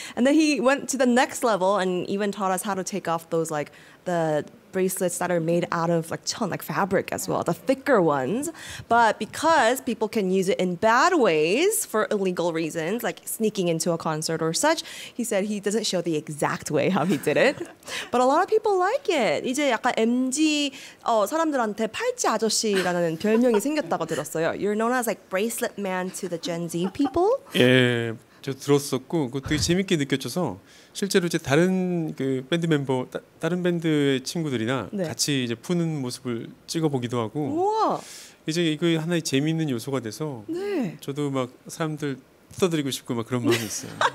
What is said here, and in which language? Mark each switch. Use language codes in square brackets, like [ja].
[en] And then he went to the next level and even taught us how to take off those, like, the bracelets that are made out of like chon, like fabric as well, the thicker ones. But because people can use it in bad ways for illegal reasons, like sneaking into a concert or such, he said he doesn't show the exact way how he did it. But a lot of people like it. [ko] 이제 약간 MG 사람들한테 팔찌 아저씨라는 별명이 생겼다고 들었어요. [en] You're known as like bracelet man to the Gen Z people. [ko] 예, 저 들었었고 그것도 재밌게 느껴져서. 실제로 이제 다른 그 밴드 멤버 다른 밴드의 친구들이나 네. 같이 이제 푸는 모습을 찍어 보기도 하고 우와. 이제 이거 하나의 재미있는 요소가 돼서 네. 저도 막 사람들 뜯어드리고 싶고 막 그런 마음이 있어요.